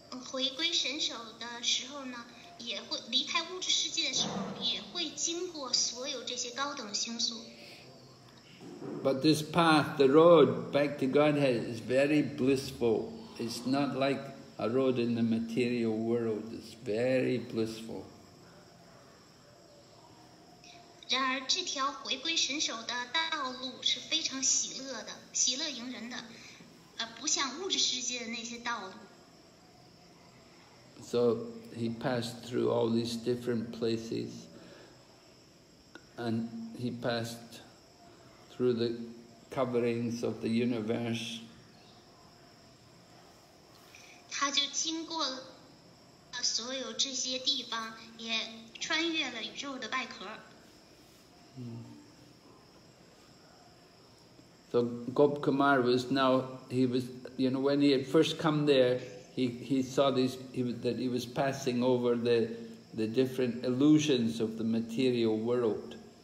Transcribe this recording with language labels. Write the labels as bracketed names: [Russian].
[Chinese] 回归神手的时候呢，也会离开物质世界的时候，也会经过所有这些高等星宿。 [English] But this path, the road back to Godhead, is very blissful. It's not like a road in the material world. It's very blissful. [Chinese] 然而，这条回归神手的道路是非常喜乐的，喜乐迎人的，不像物质世界的那些道路。 [English] So he passed through all these different places, and he passed through the coverings of the universe. [Chinese] 他就经过了所有这些地方，也穿越了宇宙的外壳。 [English] So Gop Kumar was now, he was, you know, when he had first come there, he saw this, that he was passing over the different illusions of the material world.